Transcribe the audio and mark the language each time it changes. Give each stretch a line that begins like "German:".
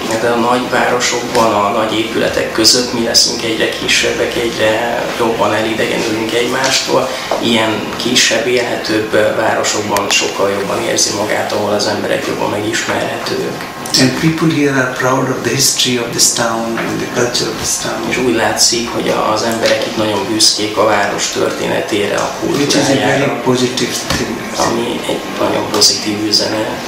Hungarian: De a nagy városokban, a nagy épületek között mi leszünk egyre kisebbek, egyre jobban elidegenülünk egymástól. Ilyen kisebb, élhetőbb városokban sokkal jobban érzi magát, ahol az emberek jobban megismerhetők.
English: And people here are proud of the history of this town and the culture of this town.
Hungarian: És úgy látszik, hogy az emberek itt nagyon büszkék a város történetére, a kultúrájára.
English: Which is a very positive thing.
Hungarian: Ami egy nagyon pozitív üzene.